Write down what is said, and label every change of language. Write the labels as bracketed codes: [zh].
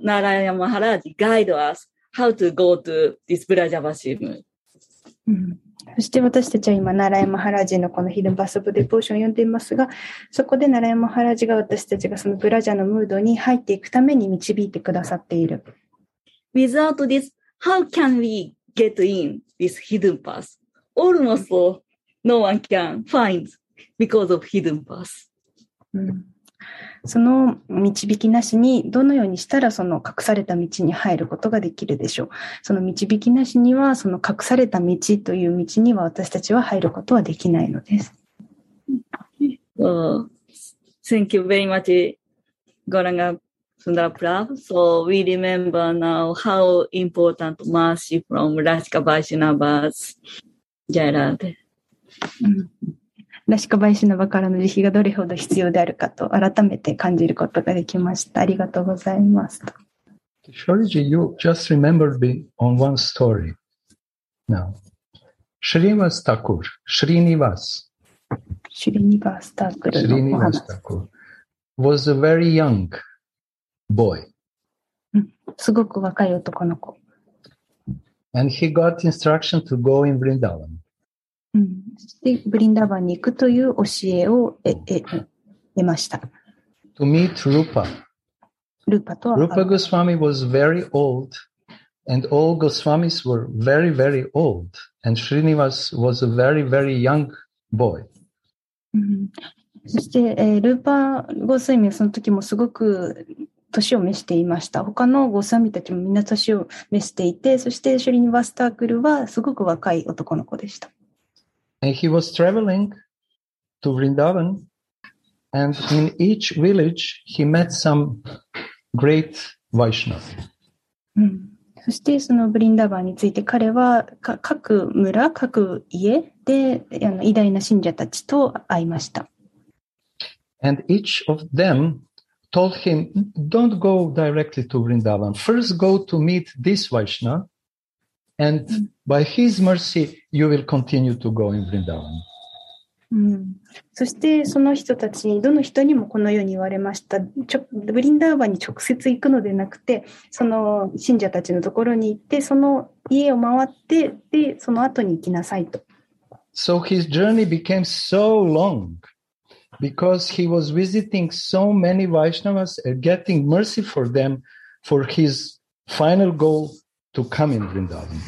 [en] Narayan Maharaj guide us how to go to this Brajavashim. [ja] そして私たちは今、ナラヤマハラジのこのヒルバスオブデポーションを読んでいますが、そこでナラヤマハラジが私たちがそのブラジャのムードに入っていくために導いてくださっている。 [en] Without this, how can we get in this hidden path? Almost no one can find because of hidden path.、 [ja] うん、その導きなしにどのようにしたらその隠された道に入ることができるでしょう。その導きなしにはその隠された道という道には私たちは入ることはできないのです。 [en] Thank you very much, Goranga Sundara Prabhu. So we remember now how important mercy from Rashika Vaishnava's Jai Radhe. [ja] ラシカバイシナバからの慈悲がどれほど必要であるかと改めて感じることができました。ありがとうございます。 [en] Shoriji, you just remembered me on one story. Now, Srinivas Thakur, Srinivas. Srinivas Thakur. Srinivas Thakur was a very young boy. [ja] すごく若い男の子。 [en] And he got instruction to go in Vrindavan. [ja] でブリンダーバンに行くという教えを得ました。 [en] To meet Rupa. [ja] Rupa とは。 [en] Rupa Goswami was very old, and all Goswamis were very, very old, and Srinivas was a very, very young boy. [ja] そして、ルーパー・ゴスワミはその時もすごく年を召していました。他のゴスワミたちもみんな年を召していて、そしてシュリニバスタークルはすごく若い男の子でした。 [en] And he was traveling to Vrindavan, and in each village he met some great Vaishnav. [ja] そしてそのブリンダバンについて彼は各村、各家で偉大な信者たちと会いました。 [en] And each of them told him, don't go directly to Vrindavan. First go to meet this Vaishnav. And by his mercy, you will continue to go in Vrindavan.、 [ja] うん、そしてその人たちにどの人にもこのように言われました。ブリンダーバンに直接行くのでなくて、その信者たちのところに行って、その家を回って、でその後に行きなさいと。 [en] So his journey became so long because he was visiting so many Vaishnavas and getting mercy for them for his final goalTo come in Vrindavan.